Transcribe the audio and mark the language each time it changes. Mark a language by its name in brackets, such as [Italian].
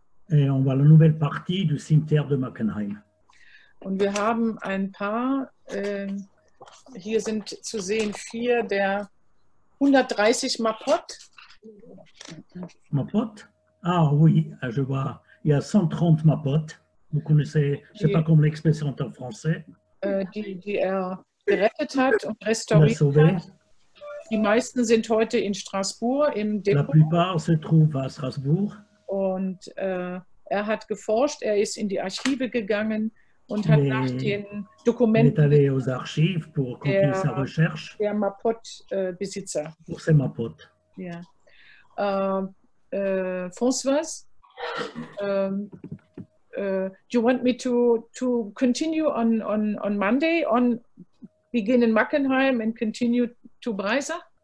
[French] Et on voit la nouvelle partie du cimetière de Mackenheim. [German] Und wir haben ein paar, hier sind zu sehen vier der 130 Mapot. [French] Mapot? Ah oui, je vois, il y a 130 Mapot. Vous connaissez, je ne sais pas comment l'expression est en français. [German] Die er gerettet hat und restauriert hat. Die meisten sind heute in Strasbourg im Depot. [French] La plupart se trouvent à Strasbourg. [German] Und er hat geforscht, er ist in die Archive gegangen. Und hat nach den Dokumenten [French] est allé aux archives pour continuer sa recherche. [German] Der Mapot Besitzer. [French] Pour ses Mapot. [German] Ja. [English] François, do you want me to continue on Monday on begin in Mackenheim and continue to Breiser?